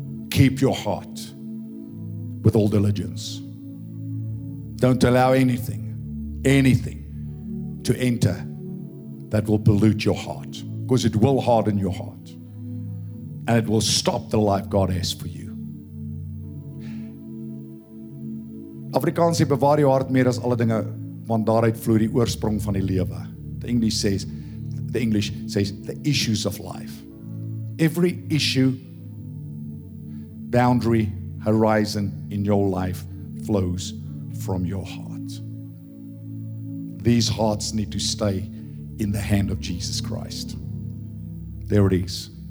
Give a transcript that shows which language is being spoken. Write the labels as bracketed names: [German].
[English] Keep your heart with all diligence. Don't allow anything to enter that will pollute your heart, because it will harden your heart and it will stop the life God has for you. [Afrikaans] Afrikaans sê, bewaar jou hart meer as alle dinge, want daaruit vloei die oorsprong van die lewe. [English] The English says, the issues of life. Every issue, boundary, horizon in your life flows from your heart. These hearts need to stay in the hand of Jesus Christ. There it is.